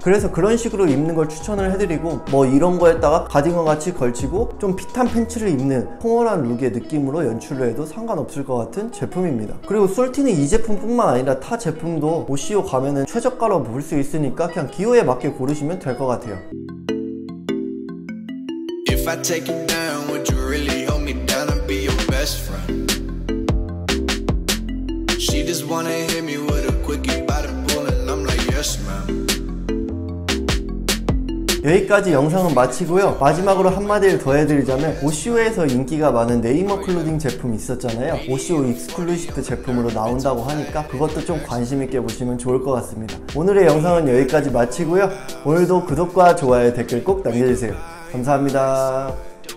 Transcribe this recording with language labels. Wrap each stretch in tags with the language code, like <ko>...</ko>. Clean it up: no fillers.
<ko>그래서 그런 식으로 입는 걸 추천을 해드리고 뭐 이런 거에다가 가디건 같이 걸치고 좀 핏한 팬츠를 입는 포멀한 룩의 느낌으로 연출을 해도 상관없을 것 같은 제품입니다. 그리고 솔티는 이 제품뿐만 아니라 타 제품도 OCO 가면은 최저가로 볼 수 있으니까 그냥 기호에 맞게 고르시면 될 것 같아요.</ko> <en>If I take it now, would you really hold me down and be your best friend? She just wanna hit me with a quickie by the pool and I'm like yes ma'am.</en> <ko>여기까지 영상은 마치고요. 마지막으로 한마디를 더 해드리자면 OCO에서 인기가 많은 네이머 클로딩 제품이 있었잖아요. OCO 익스클루시브 제품으로 나온다고 하니까 그것도 좀 관심있게 보시면 좋을 것 같습니다. 오늘의 영상은 여기까지 마치고요. 오늘도 구독과 좋아요, 댓글 꼭 남겨주세요. 감사합니다.</ko>